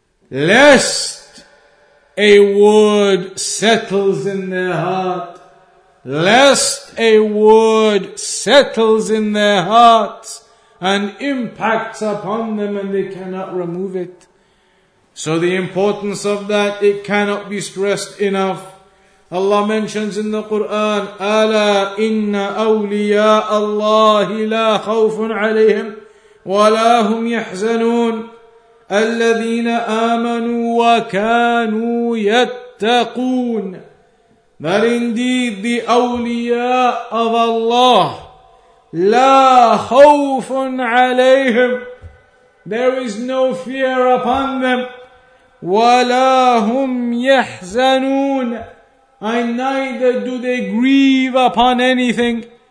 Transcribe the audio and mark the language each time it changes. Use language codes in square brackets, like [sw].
[en] Lest a word settles in their heart, lest a word settles in their hearts and impacts upon them and they cannot remove it. So the importance of that, it cannot be stressed enough. Allah mentions in the Quran, [ar] أَلَا إِنَّ أَوْلِيَاءَ اللَّهِ لَا خَوْفٌ عَلَيْهِمْ وَلَا هُمْ يَحْزَنُونَ الَّذِينَ آمَنُوا وَكَانُوا يَتَّقُونَ. [en] That indeed the awliya of Allah, [ar] لَا خَوْفٌ عَلَيْهِمْ, [en] there is no fear upon them. [ar] وَلَا هُمْ يَحْزَنُونَ, [en] and neither do they grieve upon anything.